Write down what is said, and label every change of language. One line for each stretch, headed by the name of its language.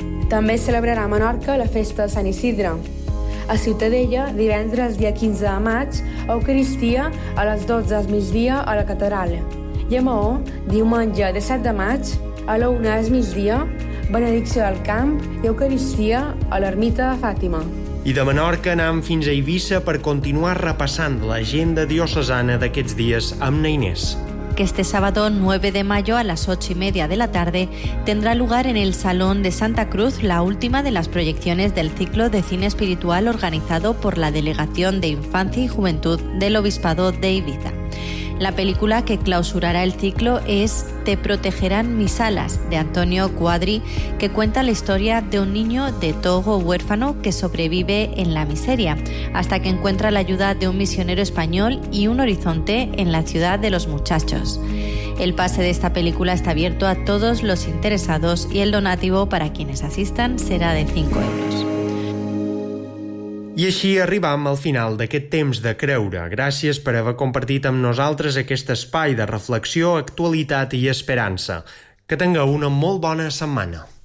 Catalan: També es celebrarà a Menorca la festa de Sant Isidre. A Ciutadella, divendres dia 15 de maig, Eucaristia a les 12 del migdia a la catedral. I a Mahó, diumenge 17 de maig, a la 1 del migdia, benedicció del camp i Eucaristia a l'ermita de Fàtima. I de Menorca anam fins a Eivissa per continuar repassant l'agenda diocesana d'aquests dies amb Neinés.
Spanish: Este sábado 9 de mayo a las 8:30 de la tarde tendrá lugar en el Salón de Santa Cruz la última de las proyecciones del ciclo de cine espiritual organizado por la Delegación de Infancia y Juventud del Obispado de Ibiza. La película que clausurará el ciclo es Te protegerán mis alas, de Antonio Cuadri, que cuenta la historia de un niño de Togo huérfano que sobrevive en la miseria, hasta que encuentra la ayuda de un misionero español y un horizonte en la ciudad de los muchachos. El pase de esta película está abierto a todos los interesados y el donativo para quienes asistan será de 5 euros.
Catalan: I així arribam al final d'aquest temps de creure. Gràcies per haver compartit amb nosaltres aquest espai de reflexió, actualitat i esperança. Que tingueu una molt bona setmana.